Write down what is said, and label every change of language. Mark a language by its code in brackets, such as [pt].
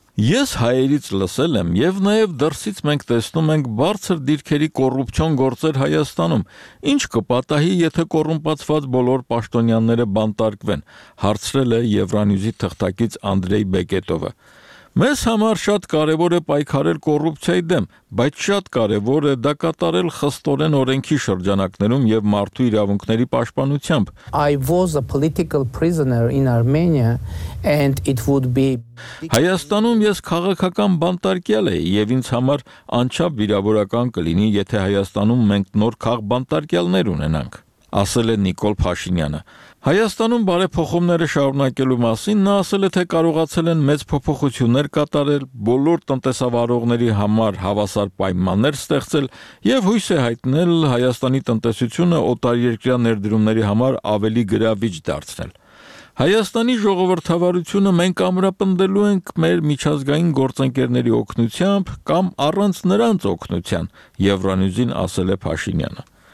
[hy] Ես հայերից լսել եմ, եւ նաեւ դրսից մենք տեսնում ենք բարձր դիրքերի կոռուպցիոն գործեր Հայաստանում։ Ինչ կպատահի, եթե կոռումպացված բոլոր պաշտոնյաները բանտարկվեն, հարցրել է Եվրանյուզի թղթակից Անդրեյ Բեկետովը։ Մեզ համար շատ կարևոր է պայքարել կոռուպցիայի դեմ, բայց շատ կարևոր է դա կատարել խստորեն օրենքի շրջանակներում եւ մարդու իրավունքների պաշտպանությամբ։ [en] I was a political prisoner in Armenia and it would be [hy] Հայաստանում ես քաղաքական բանտարկյալ եի եւ ինձ համար անչափ վիրավորական կլինի, եթե Հայաստանում մենք նոր քաղ բանտարկյալներ ունենանք, ասել է Նիկոլ Փաշինյանը։ Հայաստանում բարեփոխումները շարունակելու մասին նա ասել է, թե կարողացել են մեծ փոփոխություններ կատարել, բոլոր տնտեսավարողների համար հավասար պայմաններ ստեղծել եւ հույս է հայտնել Հայաստանի տնտեսությունը օտարերկրյա ներդրումների համար ավելի գրավիչ դարձնել։ Հայաստանի ժողովրդավարությունը մենք ամրապնդելու ենք մեր միջազգային գործընկերների օգնությամբ կամ առանց նրանց օգնության, Եվրանյուզին ասել է Փաշինյանը։